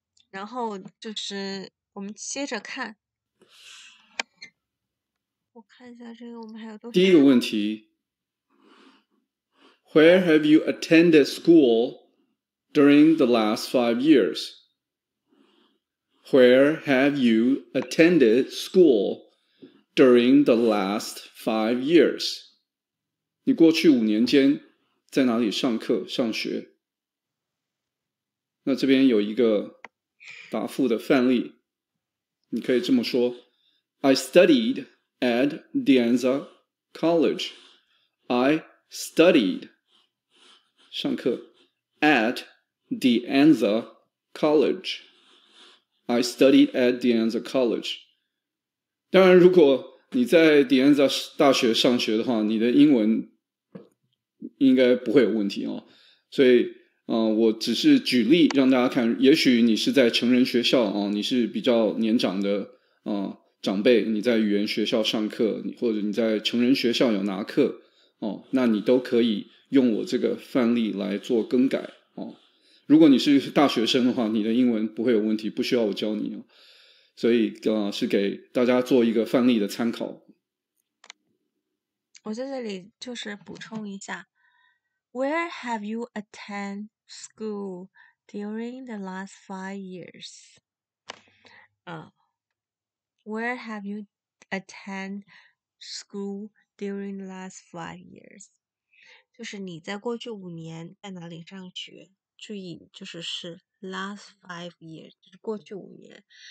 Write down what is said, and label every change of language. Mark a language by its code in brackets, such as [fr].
[zh] 然后就是我们接着看，我看一下这个我们还有多少。第一个问题 [en] ，Where have you attended school during the last 5 years？ Where have you attended school during the last 5 years? [zh] 你过去五年间在哪里上课上学？那这边有一个答复的范例，你可以这么说 ： [en] I studied at De Anza College. I studied 上课 at De Anza College. I studied at De Anza College. [zh] 当然如果你在 De Anza 大学上学的话，你的英文应该不会有问题哦。所以我只是举例让大家看，也许你是在成人学校哦，你是比较年长的长辈，你在语言学校上课，或者你在成人学校有拿课哦，那你都可以用我这个范例来做更改哦。如果你是大学生的话，你的英文不会有问题，不需要我教你哦。所以是给大家做一个范例的参考。我在这里就是补充一下 [en] ，Where have you attend school during the last 5 years？ Where have you attend school during the last 5 years？ [zh] 就是你在过去五年在哪里上学？注意，就是 [en] last 5 years， [zh] 就是过去五年。